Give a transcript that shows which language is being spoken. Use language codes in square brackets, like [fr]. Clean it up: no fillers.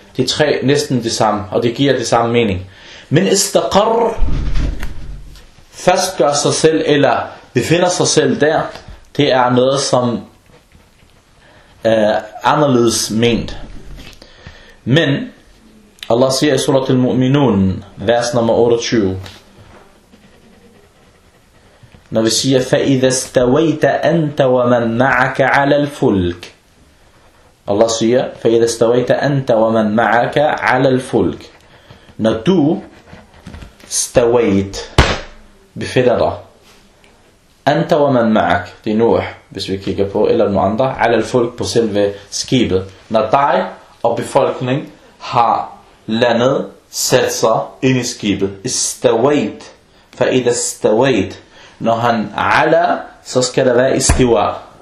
[da] De tre næsten det samme, og det giver det samme mening. Men istaqar, fastgør sig selv, eller befinder sig selv der, det er noget, som er anderledes ment. Men Allah siger i surat al-mu'minun, vers nummer 28, når vi siger, [ar] فَإِذَا اسْتَوَيْتَ أَنْتَ وَمَنْ مَعَكَ عَلَى الْفُلْكِ. [da] Allah siger, [ar] فَإِذَا اسْتَوَيْتَ أَنْتَ وَمَنْ مَعَكَ عَلَى الْفُلْكِ. [da] Når du stawait, befinder dig, [ar] أَنْتَ وَمَنْ مَعَكَ, [da] det er Nuh, hvis vi kigger på, eller nogen andre, [ar] عَلَى الْفُلْكِ, [da] på selve skibet. Når dig og befolkning har landet, sat sig ind i skibet, [ar] استويت, فَإِذَا استويت, [da] når han ala, så skal der være istiwa.